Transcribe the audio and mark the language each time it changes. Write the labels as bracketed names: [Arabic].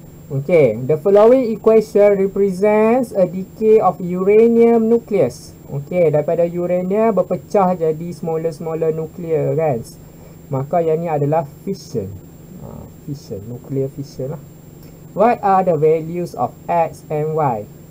[English] Okay, the following equation represents a decay of uranium nucleus. [Malay] Okay, daripada uranium berpecah jadi [English] smaller-smaller nuclear [Malay] kan. Maka yang ni adalah fission. [English] Fission, nuclear fission lah. What are the values of X and Y?